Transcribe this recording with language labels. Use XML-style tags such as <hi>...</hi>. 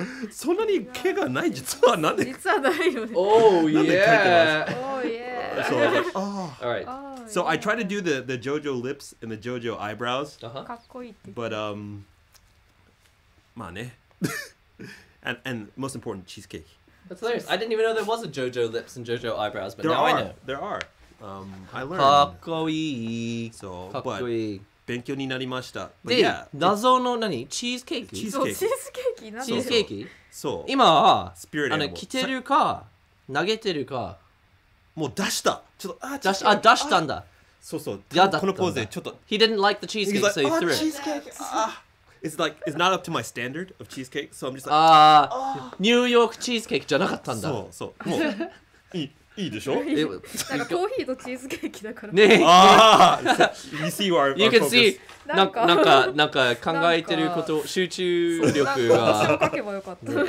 <ja>そんなに毛がない、実はなんで。実はないよね。</ja> <en>Oh, yeah. Oh, yeah.</en> <ja>そう、ああ。</ja> <en>All right. So I try to do the JoJo lips and the JoJo eyebrows.</en> <ja>かっこいいって。</ja> <en>But,</en> <ja>まあね。</ja> <en>And most important, cheesecake. That's hilarious. I didn't even know there was a JoJo lips and JoJo eyebrows, but now I know. There are. I learned.</en> <ja>Kakoi.</ja> <en>So,</en> <ja>kakoi. But 勉強になりました。で、謎の何？チーズケーキ？チーズケーキ？チーズケーキ？チーズケーキ？そう。今は、あの、着てるか、投げてるか。もう出した。ちょっと、あ、出した。あ、出したんだ。そうそう。このポーズでちょっと。</ja> <en>He didn't like the cheesecake, so he threw it. He's like,</en> <ja>あ、チーズケーキ。</ja> <en>It's like, it's not up to my standard of cheesecake, so I'm just like,</en> <ja>ああ、ニューヨークチーズケーキじゃなかったんだ。そうそう。もう、いいでしょ。なんかコーヒーとチーズケーキだから。ね。</ja> <en>ああ。You see our you can see</en> <ja>なんか考えてること集中力が。私も書けばよかった。</ja>